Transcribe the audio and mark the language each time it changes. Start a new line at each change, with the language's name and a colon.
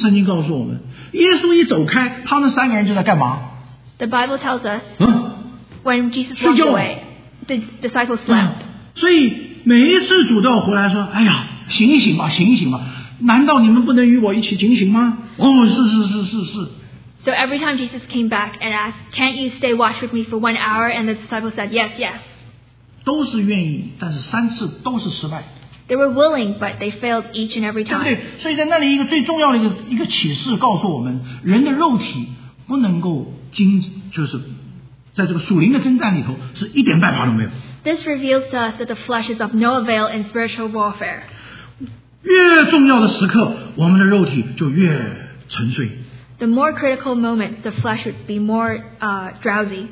Chinese: 圣经告诉我们，耶稣一走开，他们三个人就在干嘛？
English: The Bible tells us, when Jesus walked away, the disciples slept.
Chinese: 所以每一次主都要回来说，哎呀，醒一醒吧，醒一醒吧。难道你们不能与我一起警醒吗？哦，是是是是是。
English: So every time Jesus came back and asked, "Can't you stay watch with me for 1 hour?" and the disciples said, "Yes, yes."
Chinese: 都是愿意，但是三次都是失败。
English: They were willing, but they failed each and every time.
Chinese: 对不对？所以在那里一个最重要的一个启示告诉我们，人的肉体不能够经，就是在这个属灵的征战里头是一点办法都没有。
English: This reveals to us that the flesh is of no avail in spiritual warfare.
Chinese: 越重要的时刻，我们的肉体就越沉睡。
English: The more critical moment, the flesh would be more drowsy.